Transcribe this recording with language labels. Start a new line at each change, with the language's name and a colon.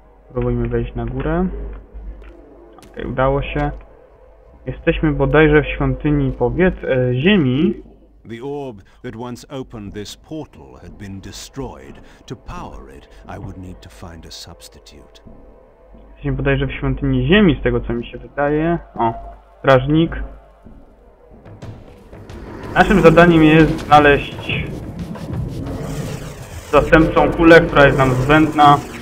Polish: Spróbujmy wejść na górę. Okej, udało się. Jesteśmy bodajże w świątyni ziemi.
English: The orb that once opened this portal had been destroyed. To power it, I would need to find a substitute.
Polish: Jesteśmy bodajże w świątyni ziemi, z tego co mi się wydaje. O, strażnik. Naszym zadaniem jest znaleźć zastępcą kulę, która jest nam zbędna.